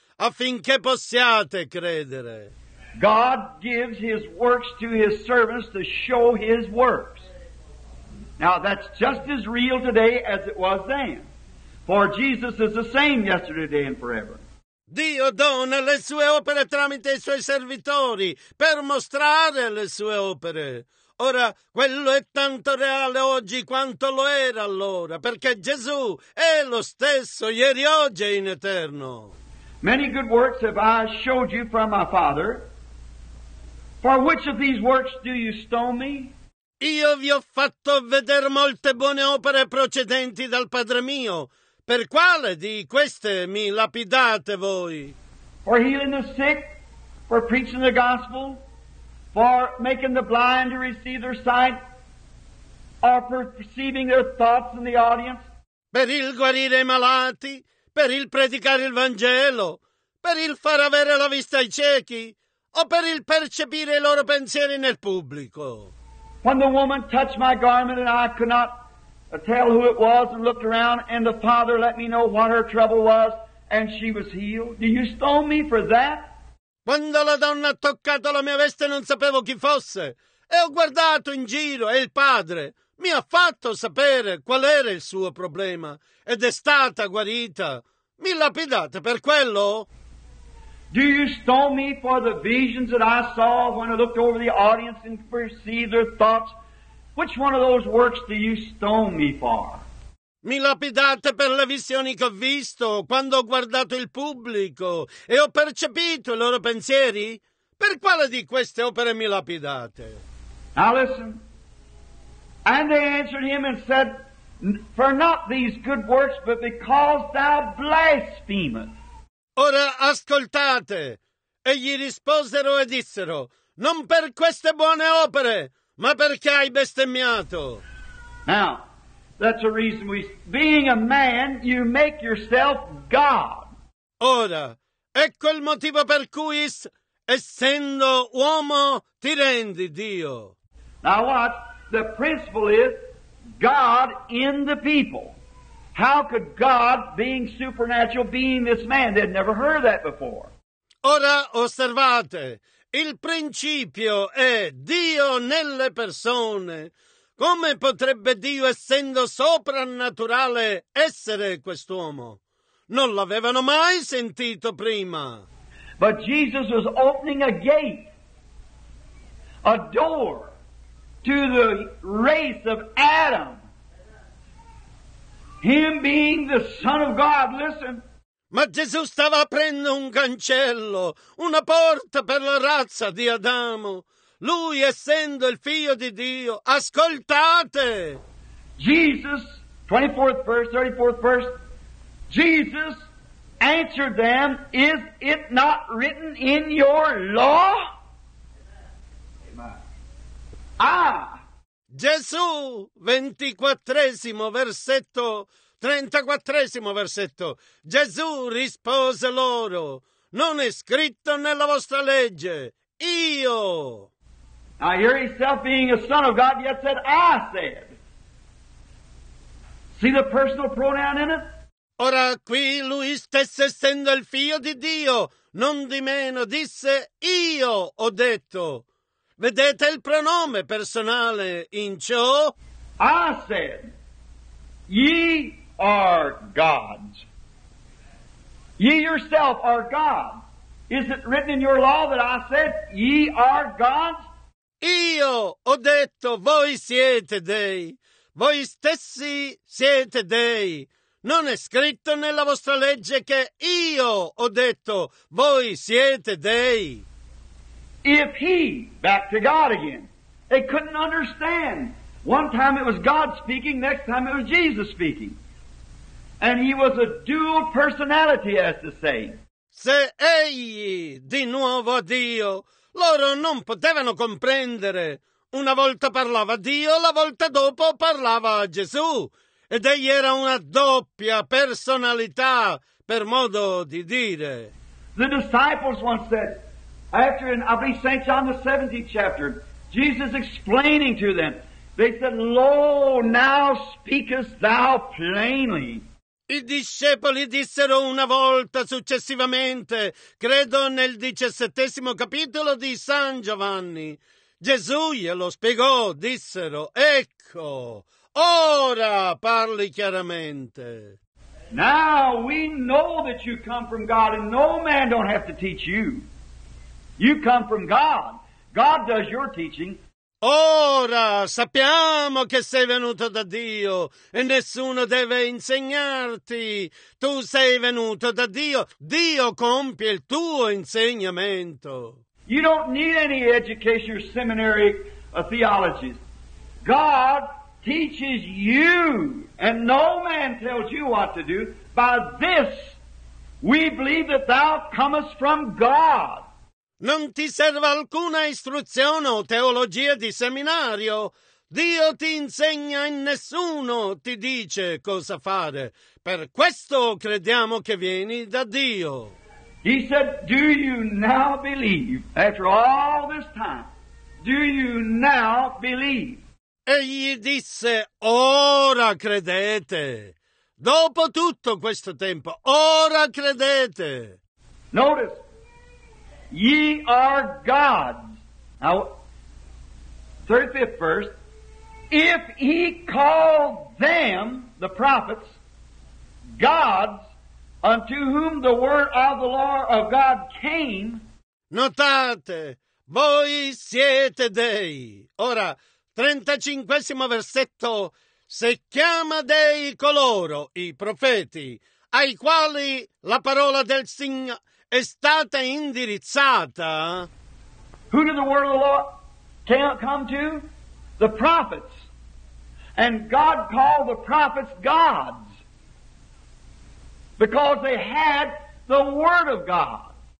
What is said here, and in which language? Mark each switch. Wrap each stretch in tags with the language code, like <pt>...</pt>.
<it>affinché possiate credere.</it> <en>God gives His works to His servants to show His works. Now that's just as real today as it was then. For Jesus is the same yesterday, today and forever.</en> <it>Dio dona le sue opere tramite i suoi servitori per mostrare le sue opere. Ora, quello è tanto reale oggi quanto lo era allora, perché Gesù è lo stesso ieri, oggi e in eterno.</it> <en>Many good works have I showed you from my Father. For which of these works do you stone me?</en> <it>Io vi ho fatto vedere molte buone opere procedenti dal Padre mio. Per quale di queste mi lapidate voi?</it> <en>For healing the sick, for preaching the gospel, for making the blind to receive their sight, or for perceiving their thoughts in the audience?</en> <it>Per il guarire i malati, per il predicare il Vangelo, per il far avere la vista ai ciechi, o per il percepire i loro pensieri nel pubblico?</it> <en>When the woman touched my garment and I could not tell who it was and looked around and the Father let me know what her trouble was and she was healed. Do you stone me for that?</en> <it>Quando la donna ha toccato la mia veste non sapevo chi fosse e ho guardato in giro e il Padre mi ha fatto sapere qual era il suo problema ed è stata guarita. Mi lapidate per quello?</it> <en>Do you stone me for the visions that I saw when I looked over the audience and perceived their thoughts? Which one of those works do you stone me for?</en> <it>Mi lapidate per le visioni che ho visto quando ho guardato il pubblico e ho percepito i loro pensieri? Per quale di queste opere mi lapidate?</it> <en>Now listen. And they answered him and said, for not these good works, but because thou blasphemest.</en> <it>Ora ascoltate. E gli risposero e dissero, non per queste buone opere, ma perché hai bestemmiato.</it> <en>Now, that's the reason we... Being a man, you make yourself God.</en> <it>Ora, ecco il motivo per cui, essendo uomo, ti rendi Dio.</it> <en>Now watch, the principle is God in the people. How could God, being supernatural, being this man? They'd never heard that before.</en> <it>Ora, osservate. Il principio è Dio nelle persone. Come potrebbe Dio, essendo soprannaturale, essere quest'uomo? Non l'avevano mai sentito prima.</it> <en>But Jesus was opening a gate, a door, to the race of Adam. Him being the Son of God, listen.</en> <it>Ma Gesù stava aprendo un cancello, una porta per la razza di Adamo. Lui, essendo il figlio di Dio, ascoltate!</it> <en>Jesus, 24th verse, 34th verse, Jesus answered them, is it not written in your law? Amen. Ah!</en> <it>Gesù, 24esimo versetto, 34esimo versetto, Gesù rispose loro, non è scritto nella vostra legge, io.</it> <en>Now here himself being a son of God, yet said, I said. See the personal pronoun in it?</en> <it>Ora qui lui stesso essendo il figlio di Dio, non di meno disse, io ho detto. Vedete il pronome personale in ciò?</it> <en>I said, ye are gods. Ye yourself are God. Is it written in your law that I said, ye are gods?</en> <it>Io ho detto, voi siete dei. Voi stessi siete dei. Non è scritto nella vostra legge che io ho detto, voi siete dei.</it> <en>If he, back to God again, they couldn't understand. One time it was God speaking, next time it was Jesus speaking. And he was a dual personality, as to say.</en> <it>Se egli, di nuovo a Dio, loro non potevano comprendere. Una volta parlava Dio, la volta dopo parlava Gesù. Ed egli era una doppia personalità, per modo di dire.</it> <en>The disciples once said, after in, I believe, St. John the 17th chapter, Jesus explaining to them, they said, lo, now speakest thou plainly.</en> <it>I discepoli dissero una volta successivamente, credo nel 17° capitolo di San Giovanni. Gesù glielo spiegò, dissero, ecco, ora parli chiaramente.</it> <en>Now we know that you come from God and no man don't have to teach you. You come from God. God does your teaching.</en> <it>Ora sappiamo che sei venuto da Dio e nessuno deve insegnarti. Tu sei venuto da Dio. Dio compie il tuo insegnamento.</it> <en>You don't need any education or seminary or theology. God teaches you, and no man tells you what to do. By this we believe that thou comest from God.</en> <it>Non ti serve alcuna istruzione o teologia di seminario. Dio ti insegna e nessuno ti dice cosa fare. Per questo crediamo che vieni da Dio.</it> <en>He said, do you now believe? After all this time, do you now believe?</en> <it>Egli disse, ora credete. Dopo tutto questo tempo, ora credete.</it> <en>Notice, ye are gods. Now, 35th verse, if he called them, the prophets, gods, unto whom the word of the law of God came.</en> <it>Notate, voi siete dei. Ora, 35° versetto, se chiama dei coloro, i profeti, ai quali la parola del Signore è stata indirizzata.</it> <en>Who did the word of the law come to? The prophets. And God called the prophets gods, because they had the word of God.</en>